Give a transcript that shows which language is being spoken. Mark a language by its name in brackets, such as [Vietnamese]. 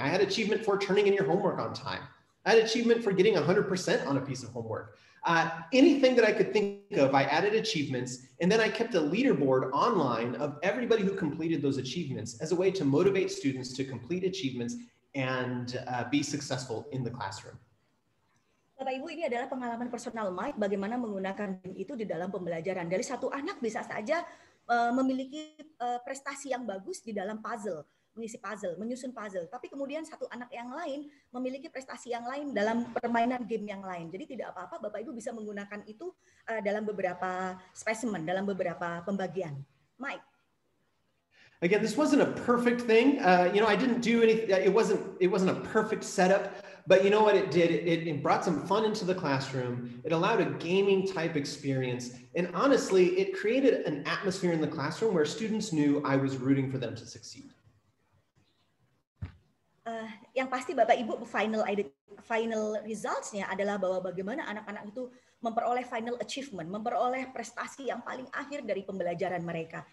[English] I had an achievement for turning in your homework on time. I had an achievement for getting 100% on a piece of homework. Anything that I could think of, I added achievements, and then I kept a leaderboard online of everybody who completed those achievements as a way to motivate students to complete achievements and be successful in the classroom. [Indonesian] Bapak Ibu, ini adalah pengalaman personal Mike, bagaimana menggunakan itu di dalam pembelajaran. Dari satu anak bisa saja memiliki prestasi yang bagus di dalam puzzle, mengisi puzzle, menyusun puzzle. Tapi kemudian satu anak yang lain memiliki prestasi yang lain dalam permainan game yang lain. Jadi tidak apa-apa, Bapak Ibu bisa menggunakan itu dalam beberapa spesimen, dalam beberapa pembagian. Mike. [English] Again, this wasn't a perfect thing. I didn't do anything. It wasn't a perfect setup. But you know what it did? It brought some fun into the classroom. It allowed a gaming type experience. And honestly, it created an atmosphere in the classroom where students knew I was rooting for them to succeed. [Indonesian] Yang pasti Bapak Ibu final results-nya adalah bahwa bagaimana anak-anak itu memperoleh final achievement, memperoleh prestasi yang paling akhir dari pembelajaran mereka.